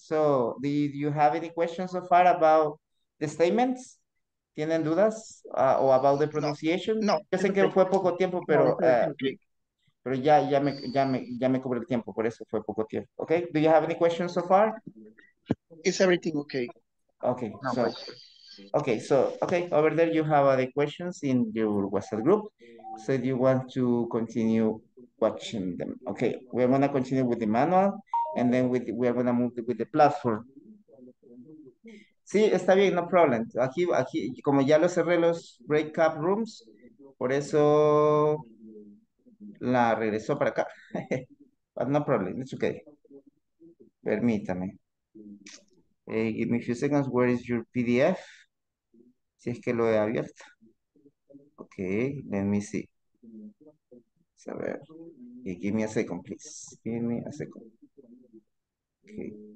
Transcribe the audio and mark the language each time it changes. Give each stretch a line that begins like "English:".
English: So did you have any questions so far about the statements?
Spanish: ¿Tienen dudas? ¿O
English: about the pronunciation? No.
Spanish: Yo sé que fue poco tiempo, pero, pero ya me cubre el tiempo, por eso fue poco tiempo.
English: Okay, do you have any questions so far? Is everything okay? Okay, no, so... Okay, so, okay, over there you have other questions in your WhatsApp group. So if you want to continue watching them. Okay, we are going to continue with the manual and then we are going to move with the platform.
Spanish: Sí, está bien,
English: no problem.
Spanish: Aquí, como ya lo cerré los breakout rooms, por eso la regresó para acá.
English: But no problem, it's okay.
Spanish: Permítame.
English: Give me a few seconds, where is your PDF?
Spanish: Si es que lo he abierto. Ok,
English: let me see.
Spanish: A ver.
English: Okay, give me a second, please. Give me a second. Ok.